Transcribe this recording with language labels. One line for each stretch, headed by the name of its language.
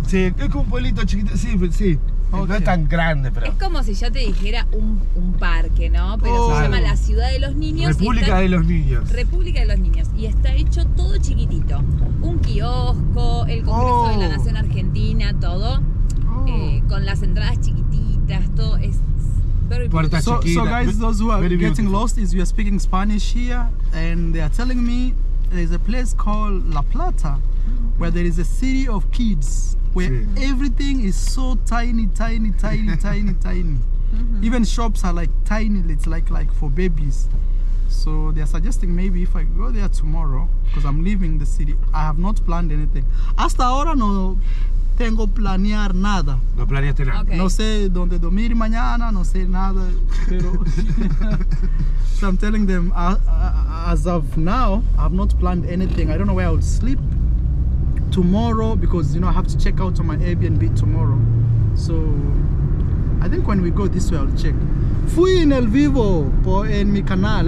Spanish: Sí, es como un pueblito chiquito. Sí, sí. Okay. No es tan grande, pero... Es como si yo te dijera un parque, ¿no? Pero oh, se llama la ciudad de los niños. República y está... de los niños. República de los niños. Y está hecho todo chiquitito. Un kiosco, el Congreso de la Nación Argentina, todo. Oh. Con las entradas chiquititas, todo. Es
English: very beautiful. So, so, guys, those who are getting lost is we are speaking Spanish here. And they are telling me there is a place called La Plata, mm-hmm. where there is a city of kids. Where sí. everything is so tiny, tiny, tiny, tiny, tiny. Mm-hmm. Even shops are like tiny, it's like for babies. So they are suggesting maybe if I go there tomorrow, because I'm leaving the city, I have not planned anything.
Spanish: Hasta ahora no tengo planear nada. No planeaste nada. Okay. No sé dónde dormir mañana, no sé nada.
English: Pero so I'm telling them, as of now, I have not planned anything. I don't know where I will sleep. Tomorrow, because you know, I have to check out on my Airbnb tomorrow. So, I think when we go this way, I'll check.
Spanish: Fui en el vivo por en mi canal.